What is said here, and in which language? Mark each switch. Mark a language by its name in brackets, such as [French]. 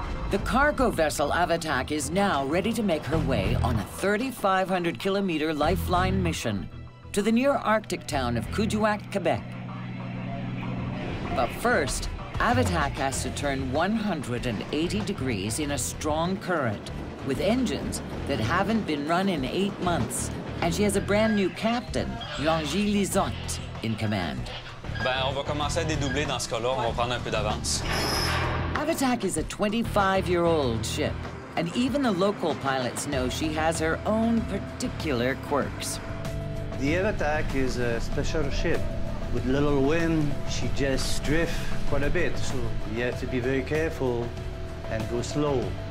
[English] The cargo vessel AVATAQ is now ready to make her way on a 3,500-kilometer lifeline mission to the near Arctic town of Kuujjuaq, Quebec. But first, AVATAQ has to turn 180 degrees in a strong current with engines that haven't been run in 8 months. And she has a brand new captain, Jean-Gilles Lisotte, in command. [French] Ben, on va commencer à dédoubler dans ce cas-là. On va prendre un peu d'avance. [English] AVATAQ is a 25-year-old ship, and even the local pilots know she has her own particular quirks. The AVATAQ is a special ship. With little wind, she just drifts quite a bit, so you have to be very careful and go slow.